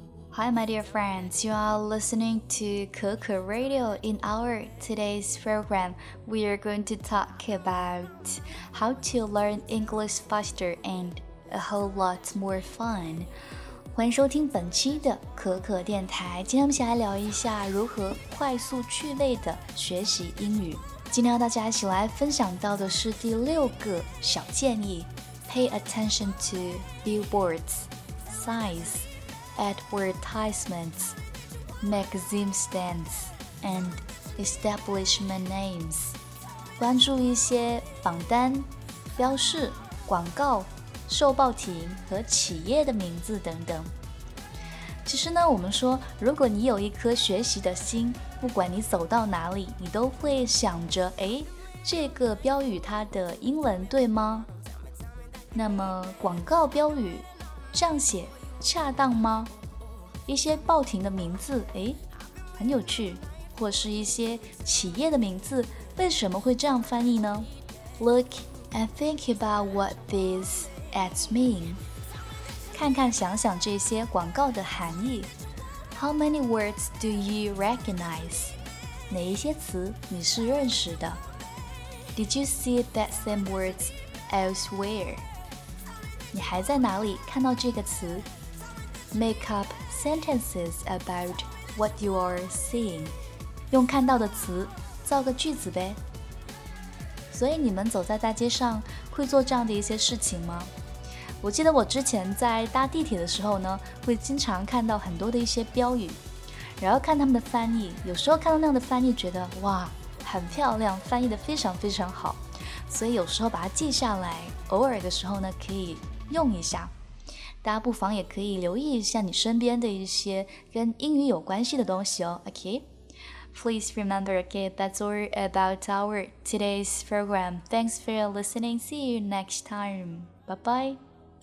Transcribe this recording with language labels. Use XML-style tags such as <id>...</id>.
<en>Hi, my dear friends, you are listening to Coco Radio. In our today's program, we are going to talk about how to learn English faster and a whole lot more fun.</en> <zh>欢迎收听本期的可可电台。今天我们先来聊一下如何快速趣味的学习英语。今天要大家一起来分享到的是第六个小建议</zh> <en>Pay attention to billboards, signs, advertisements, magazine stands, and establishment names.</en> <zh>关注一些榜单、标示、广告、售报亭和企业的名字等等。其实呢，我们说，如果你有一颗学习的心，不管你走到哪里，你都会想着，哎，这个标语它的英文对吗？那么广告标语这样写恰当吗？一些报亭的名字，哎，很有趣，或是一些企业的名字，为什么会这样翻译呢？</zh> <en>Look and think about what these ads mean.</en> <zh>看看想想这些广告的含义。</zh> <en>How many words do you recognize?</en> <zh>哪一些词你是认识的？</zh> <en>Did you see that same words elsewhere?</en> <zh>你还在哪里看到这个词？</zh> <en>Make up sentences about what you are seeing.</en> <zh>用看到的词造个句子呗。所以你们走在大街上会做这样的一些事情吗？我记得我之前在搭地铁的时候呢，会经常看到很多的一些标语，然后看他们的翻译，有时候看到那样的翻译觉得哇很漂亮，翻译得非常非常好，所以有时候把它记下来，偶尔的时候呢可以用一下。大家不妨也可以留意一下你身边的一些跟英语有关系的东西哦。</zh> <en>OK, Please remember, OK, that's all about our today's program. Thanks for listening, see you next time, bye bye.</en>